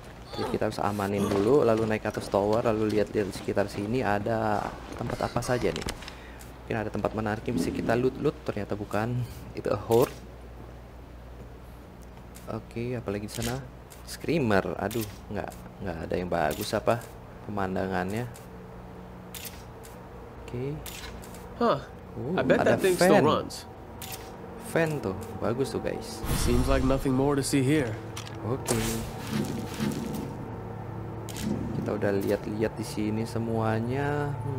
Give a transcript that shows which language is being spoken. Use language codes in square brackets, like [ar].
[id] Jadi kita harus amanin dulu, lalu naik ke atas tower, lalu lihat-lihat sekitar sini ada tempat apa saja nih. Mungkin ada tempat menarik yang bisa kita loot-loot, ternyata bukan. Itu [en] a horde. [id] Oke, apalagi di sana? Screamer. Aduh, nggak ada yang bagus apa pemandangannya. Oke. [en] I bet that thing still runs. [id] Fan tuh, bagus tuh guys. [en] Seems like nothing more to see here. [id] Oke. Kita udah lihat-lihat di sini semuanya.